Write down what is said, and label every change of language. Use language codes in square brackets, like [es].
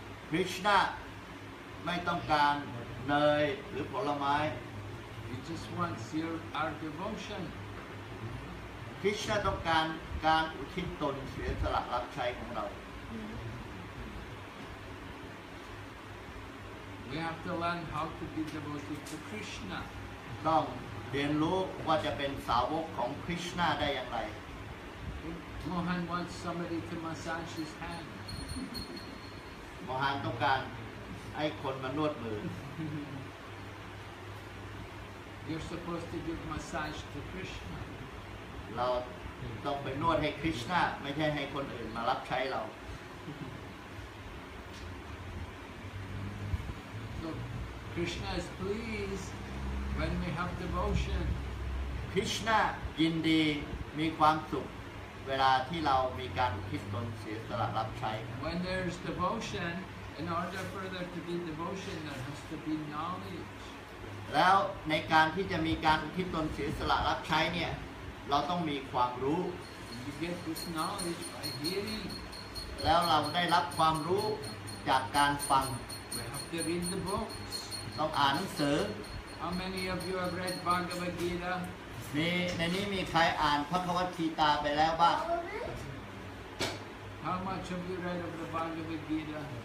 [th] Krishna ไม่ต้องการเนยหรือผลไม้ [en] He just wants your our devotion. [th] Krishna ต้องการการอุทิศตนเสียสละรับใช้ของเรา [en] We have to learn how to be devoted to Krishna. [th] ต้องเรียนรู้ว่าจะเป็นสาวกของคริชนาได้อย่างไร [en] Mohan wants somebody to massage his hand. [th] Mohan ต้องการให้คนมานวดมือ [en] You're supposed to give massage to Krishna. [th] เราต้องไปนวดให้คริชนาไม่ใช่ให้คนอื่นมารับใช้เรา [en] So Krishna is pleased when we have devotion. [th] Krishna ยินดีมีความสุขเวลาที่เรามีการอุทิศตนเสียสละรับใช้ [en] When there's devotion, in order for there to be devotion, there has to be knowledge. [th] แล้วในการที่จะมีการอุทิศตนเสียสละรับใช้เนี่ยเราต้องมีความรู้ [en] You get this knowledge by hearing. [th] แล้วเราได้รับความรู้จากการฟัง [en] We have to read the books. [th] ต้องอ่านหนังสือ [en] How many of you have read Bhagavad Gita? [th] มีในนี้มีใครอ่านพระภวัตคีตาไปแล้วบ้าง [en] How much have you read of the Bhagavad Gita?